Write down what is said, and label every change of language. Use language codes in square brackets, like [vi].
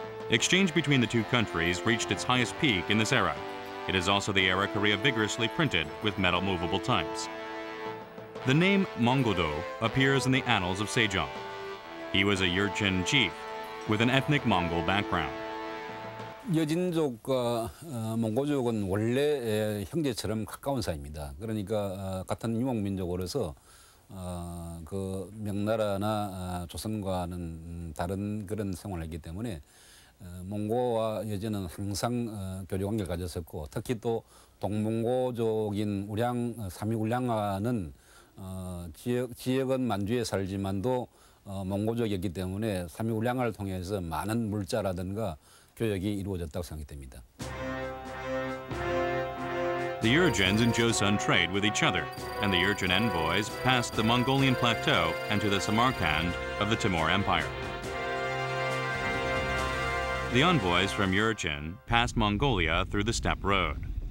[en] Exchange between the two countries reached its highest peak in this era. It is also the era Korea vigorously printed with metal movable types. The name Mongodo appears in the annals of Sejong. He was a Yurchin chief with an ethnic Mongol background. [ko] 여진족과 몽고족은 원래 형제처럼 가까운 사이입니다. 그러니까 같은 유목민족으로서 그 명나라나 조선과는 다른 그런 생활을 했기 때문에 몽고와 여진은 항상 교류 관계를 가졌었고 특히 또 동몽고족인 우량 삼위 우량화는 지역은 만주에 살지만도 몽고족이었기 때문에 삼위 우량화를 통해서 많은 물자라든가 교역이 이루어졌다고 생각됩니다. [en] The Yurchins and Joseon trade with each other, and the Yurchin envoys passed the Mongolian plateau and to the Samarkand of the Timur Empire. The envoys from Yurchin passed Mongolia through the steppe road.